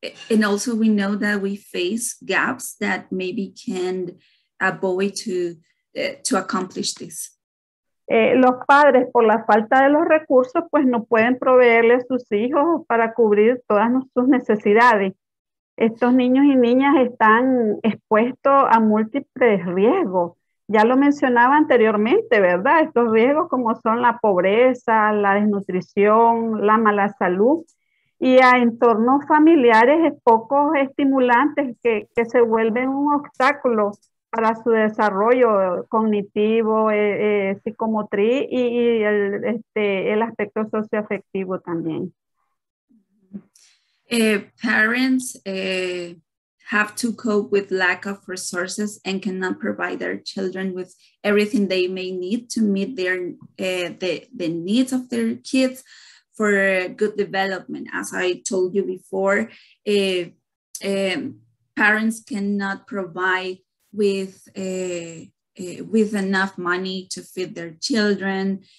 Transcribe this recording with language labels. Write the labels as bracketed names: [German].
[English] And also we know that we face gaps that maybe can avoid to accomplish this. [Spanish] Los padres, por la falta de los recursos, pues no pueden proveerle a sus hijos para cubrir todas sus necesidades. Estos niños y niñas están expuestos a múltiples riesgos. Ya lo mencionaba anteriormente, ¿verdad? Estos riesgos como son la pobreza, la desnutrición, la mala salud y a entornos familiares poco estimulantes que se vuelven un obstáculo para su desarrollo cognitivo, psicomotriz y el aspecto socioafectivo también. [English] Parents have to cope with lack of resources and cannot provide their children with everything they may need to meet the needs of their kids for good development. As I told you before, parents cannot provide with enough money to feed their children.